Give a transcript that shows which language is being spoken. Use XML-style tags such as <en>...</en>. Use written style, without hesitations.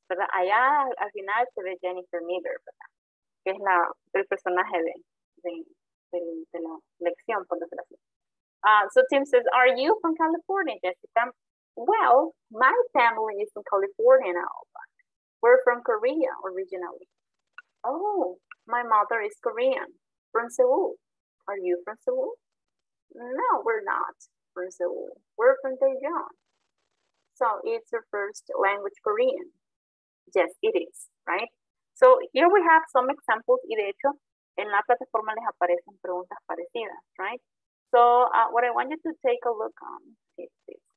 <es>Pero allá al final se ve Jennifer Meader, que es el personaje de la lección, por decirlo así.</es> <en>So Tim says, are you from California, Jessica? Well, my family is from California now, but we're from Korea originally. Oh, my mother is Korean, from Seoul. Are you from Seoul? No, we're not from Seoul. We're from Daejeon. So it's your first language, Korean. Yes, it is, right? So here we have some examples.</en> <es>Y de hecho, en la plataforma les aparecen preguntas parecidas, right?</es> <en>So what I want you to take a look on is this.</en>